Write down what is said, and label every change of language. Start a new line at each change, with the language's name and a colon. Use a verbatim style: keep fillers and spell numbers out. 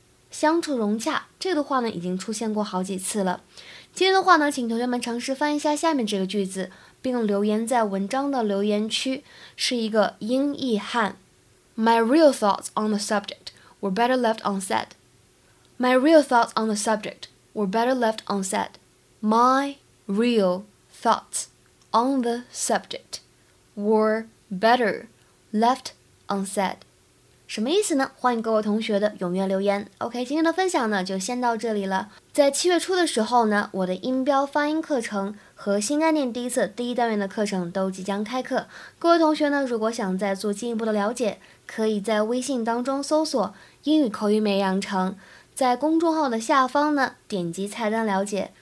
Chinese: 相处融洽，这个的话呢已经出现过好几次了。今天的话呢，请同学们尝试翻译一下下面这个句子，并留言在文章的留言区，是一个英译汉。
English: My real thoughts on the subject were better left unsaid. My real thoughts on the subject were better left unsaid. My real thoughts on the subject were better left unsaid.
Chinese: 什么意思呢？欢迎各位同学的踊跃留言。OK， 今天的分享呢就先到这里了。在七月初的时候呢，我的音标发音课程和新概念第一册第一单元的课程都即将开课，各位同学呢如果想再做进一步的了解，可以在微信当中搜索英语口语每日养成，在公众号的下方呢点击菜单了解。